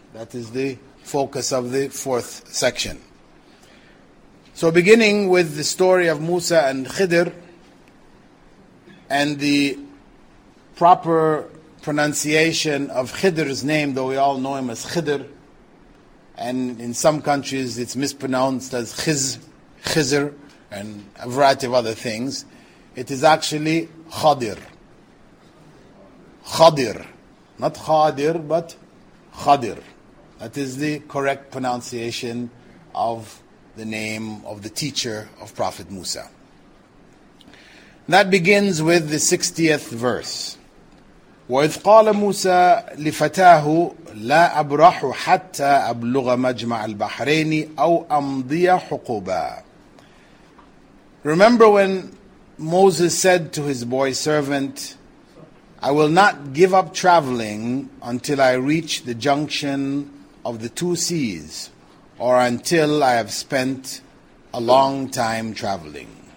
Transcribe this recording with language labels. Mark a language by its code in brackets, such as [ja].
[en] That is the focus of the fourth section. So beginning with the story of Musa and Khidr, and the proper pronunciation of Khidr's name, though we all know him as Khidr, and in some countries it's mispronounced as Khizr, and a variety of other things, it is actually Khadir. Khadir. Not Khadir, but Khadir. That is the correct pronunciation of the name of the teacher of Prophet Musa. That begins with the 60th verse. [ar] وَإِذْ قَالَ مُوسَى لِفَتَاهُ لَا أَبْرَحُ حَتَّى أَبْلُغَ مَجْمَعَ الْبَحْرَيْنِ أَوْ أَمْضِيَ حُقُوبًا. [en] Remember when Moses said to his boy servant, I will not give up traveling until I reach the junction of the two seas, or until I have spent a long time traveling.